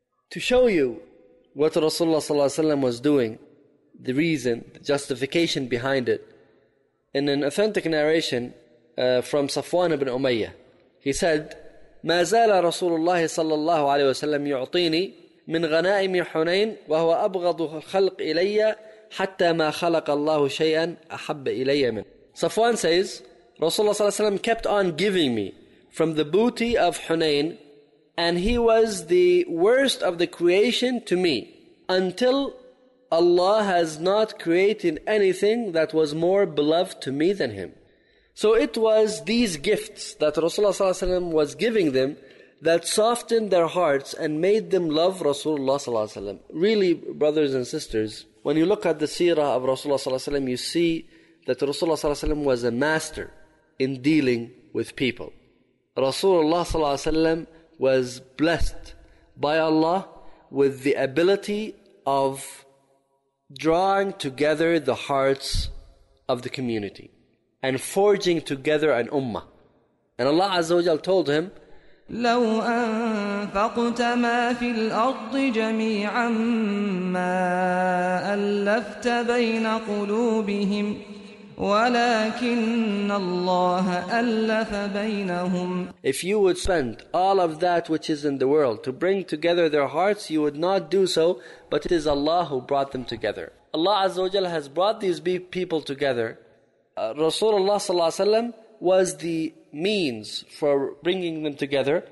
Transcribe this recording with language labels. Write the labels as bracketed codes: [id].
[en] To show you what Rasulullah sallallahu alayhi wa sallam was doing, the reason, the justification behind it, in an authentic narration from Safwan ibn Umayyah, he said, [ar] ما زال رسول الله صلى الله عليه وسلم يعطيني من غنائم حنين وهو أبغض الخلق إلي حتى ما خلق الله شيئا أحب إلي منه. [en] Safwan says, Rasulullah sallallahu alayhi wa kept on giving me from the booty of Hunayn, and he was the worst of the creation to me until Allah has not created anything that was more beloved to me than him. So it was these gifts that Rasulullah sallallahu alayhi wa sallam was giving them that softened their hearts and made them love Rasulullah sallallahu alayhi wa sallam. Really, brothers and sisters, when you look at the seerah of Rasulullah sallallahu alayhi wa sallam, you see that Rasulullah sallallahu alayhi wa sallam was a master in dealing with people. Rasulullah sallallahu alayhi wa sallam was blessed by Allah with the ability of drawing together the hearts of the community and forging together an ummah. And Allah Azza wa Jal told him, [ar] لو أنفقت ما في الأرض جميعا ما ألفت بين قلوبهم وَلَكِنَّ اللَّهَ أَلَّفَ بَيْنَهُمْ. [en] If you would spend all of that which is in the world to bring together their hearts, you would not do so, but it is Allah who brought them together. Allah Azza wa Jalla has brought these people together. Rasulullah Sallallahu Alaihi Wasallam was the means for bringing them together.